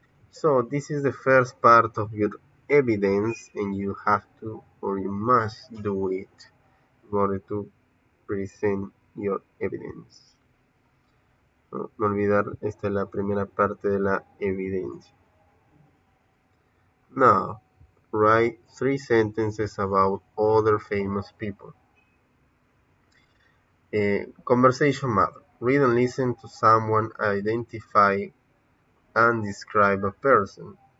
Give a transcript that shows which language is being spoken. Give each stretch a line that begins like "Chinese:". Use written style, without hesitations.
English: So this is the first part of your evidence, and you have to, or you must do it in order to present your evidence.
Spanish: No olvidar, esta es la primera parte de la evidencia.
English: Now, write three sentences about other famous people. Conversation map. Read and listen to someone, identify and describe a person.